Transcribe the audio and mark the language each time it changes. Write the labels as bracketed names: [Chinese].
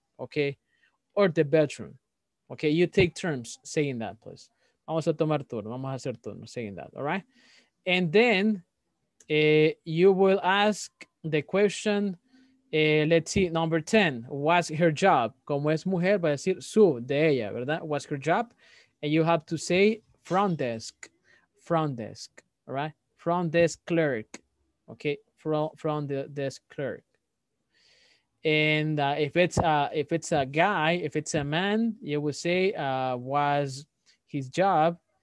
[English] Okay, or the bedroom. Okay, you take turns saying that, please. [Spanish] Vamos a tomar turno, vamos a hacer turno [English] saying that, all right? And then you will ask the question, let's see, number 10, what's her job? [Spanish] Como es mujer, va a decir su, de ella, ¿verdad? [English] What's her job? And you have to say front desk, all right? Front desk clerk, okay? From the desk clerk. And if it's a guy, if it's a man, you will say was his job.